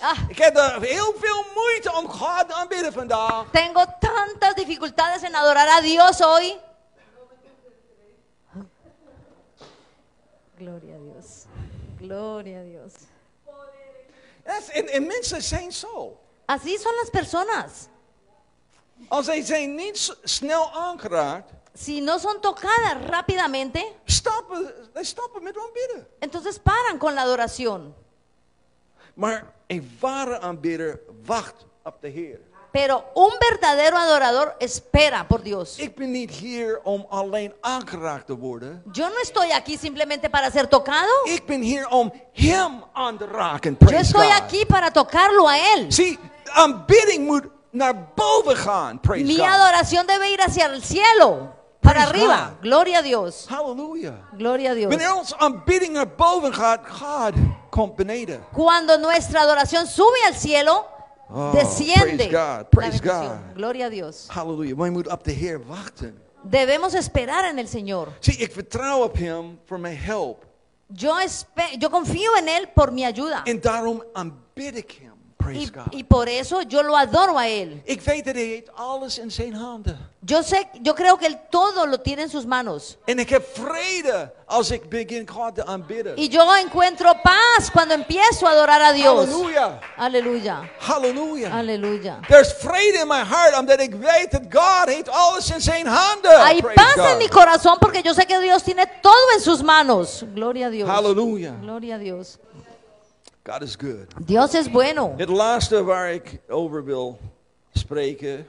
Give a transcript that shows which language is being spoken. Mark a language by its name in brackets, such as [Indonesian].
[Dutch] Ik heb heel veel moeite om God te aanbidden vandaag. [Spanish] Tengo tantas dificultades en adorar a Dios hoy. Gloria a Dios. Gloria a Dios. [Dutch] Yes, en mensen zijn zo. [Spanish] Así son las personas. [Dutch] Als ze zijn niet snel aangeraakt. [Spanish] Si no son tocadas rápidamente. [Dutch] Stoppen met aanbidden. [Spanish] Entonces paran con la adoración. [Dutch] Maar een ware aanbidder wacht op de Heer. [Spanish] Pero un verdadero adorador espera por Dios. [Dutch] Ik ben niet hier om alleen aangeraakt te worden. [Spanish] Yo no estoy aquí simplemente para ser tocado. [Dutch] Ik ben hier om Hem aan te raken. [English] Praise [Spanish] God. Yo estoy aquí para tocarlo a Él. [Dutch] See, aanbidding moet naar boven gaan. [English] Praise God. [Spanish] Mi adoración debe ir hacia el cielo. Para arriba, gloria a Dios. [English] Hallelujah. [Spanish] Gloria a Dios. [Dutch] Wanneer ons aanbidding naar boven gaat, God komt beneden. [Spanish] Cuando nuestra adoración sube al cielo, desciende. [English] Praise God. Praise God. [Spanish] Gloria a Dios. [English] Hallelujah. [Dutch] Wij moeten op de Heer wachten. [Spanish] Debemos esperar en el Señor. [Dutch] See, ik vertrouw op Hem voor mijn help. [Spanish] Yo confío en Él por mi ayuda. [Dutch] En daarom aanbid ik Hem. [Spanish] Y por eso yo lo adoro a Él. [Dutch] Ik weet dat hij heeft alles in zijn handen. [Spanish] Yo creo que Él todo lo tiene en sus manos. [Dutch] En ik heb vrede als ik begin God te aanbidden. [Spanish] Y yo encuentro paz cuando empiezo a adorar a Dios. Aleluya. Aleluya. Aleluya. Aleluya. [English] There's freedom in my heart that I weet that God [Dutch] heeft alles in zijn handen. [Spanish] Hay paz en mi corazón porque yo sé que Dios tiene todo en sus manos. Gloria a Dios. Aleluya. Gloria a Dios. [English] God is good. [Spanish] Dios es bueno. [Dutch] Het laatste waar ik over wil spreken.